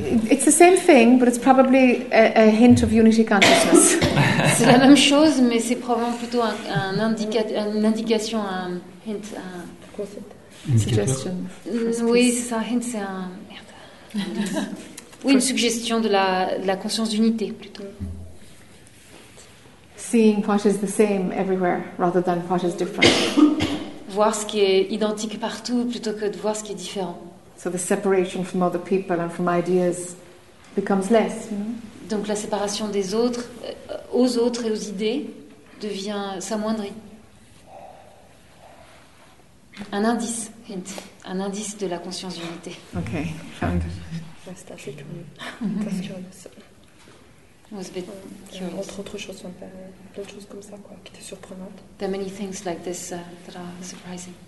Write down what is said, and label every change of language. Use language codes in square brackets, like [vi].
[en] It's the same thing, but it's probably a hint of unity consciousness. [fr] C'est la même chose, mais c'est probablement plutôt une suggestion de la conscience d'unité plutôt. [en] Seeing what is the same everywhere rather than what is different. [fr] Voir ce qui est identique partout plutôt que de voir ce qui est différent. [en] So the separation from other people and from ideas becomes less, you know? [fr] Donc la séparation des autres, aux autres et aux idées, devient s'amoindrit. Un indice de la conscience d'unité. [en] Ok, found it. [fr] C'est assez curieux. C'est curieux. Entre autres choses, d'autres choses comme ça, quoi, qui étaient surprenantes. [en] There are many things like this that are surprising.